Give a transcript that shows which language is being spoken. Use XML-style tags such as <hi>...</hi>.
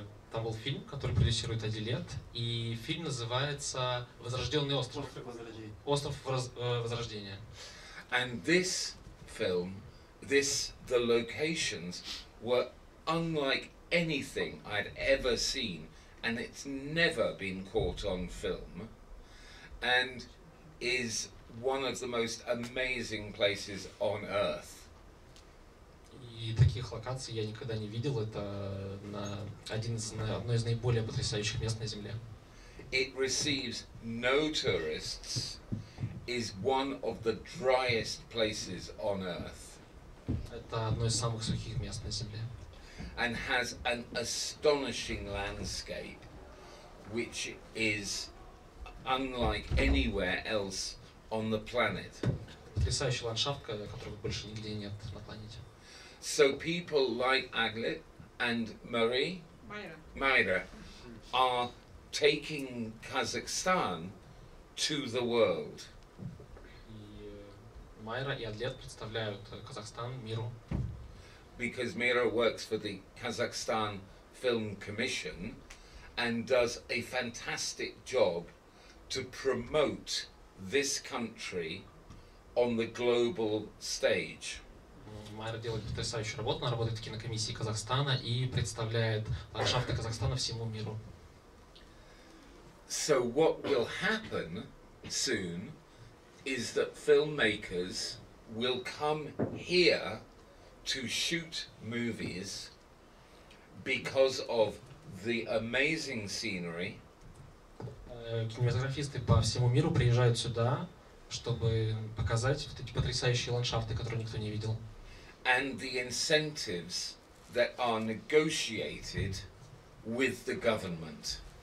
<ru>Там был фильм, который продюсирует Адилет, и фильм называется «Возрожденный остров». Остров Возрождения.</ru> <en>And this film, this the locations were unlike anything I'd ever seen, and it's never been caught on film, and is one of the most amazing places on earth.</en> <ru>И таких локаций я никогда не видел. Это одно из наиболее потрясающих мест на Земле.</ru> <en>It receives no tourists. Is one of the driest places on earth.</en> <ru>Это одно из самых сухих мест на Земле.</ru> <en>And has an astonishing landscape which is unlike anywhere else on the planet.</en> <ru>Потрясающий ландшафт, которого больше нигде нет на планете.</ru> <en>So people like Aglet and Marie, Myra, are taking Kazakhstan to the world.</en> <ru>Майра и Адлет представляют Казахстан миру.</ru> <en>Because Mira works for the Kazakhstan Film Commission and does a fantastic job to promote this country on the global stage.</en> <ru>Майра делает потрясающую работу, она работает в кинокомиссии Казахстана и представляет ландшафты Казахстана всему миру.</ru> <en>So what will happen soon is that filmmakers will come here to shoot movies because of the amazing scenery.</en> <ru>Кинематографисты по всему миру приезжают сюда, чтобы показать вот эти потрясающие ландшафты, которые никто не видел.</ru> <en>And the incentives that are negotiated with the government.</en>